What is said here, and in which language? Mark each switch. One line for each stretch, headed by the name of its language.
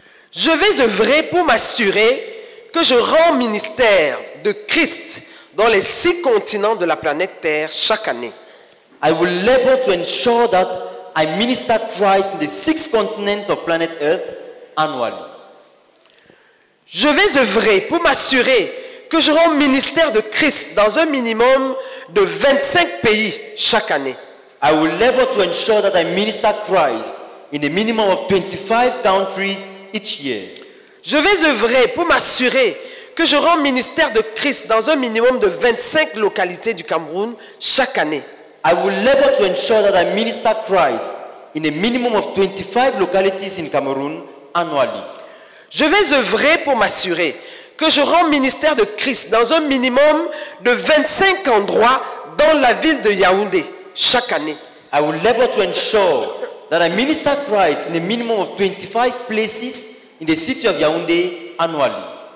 French: Je vais œuvrer pour m'assurer que je rends ministère de Christ dans les 6 continents de la planète Terre chaque année.
English: I will labor to ensure that I minister Christ in the 6 continents of planet Earth annually.
French: Je vais œuvrer pour m'assurer que je rends ministère de Christ dans un minimum de 25 pays chaque année.
English: I will labor to ensure that I minister Christ in a minimum of 25 countries each year.
French: Je vais œuvrer pour m'assurer que je rends ministère de Christ dans un minimum de 25 localités du Cameroun chaque année.
English: I will labor to ensure that I minister Christ in a minimum of 25 localities in Cameroon annually.
French: Je vais œuvrer pour m'assurer que je rends ministère de Christ dans un minimum de 25 endroits dans la ville de Yaoundé chaque année.
English: I will labor to ensure that I minister Christ in a minimum of 25 places in the city of Yaoundé annually.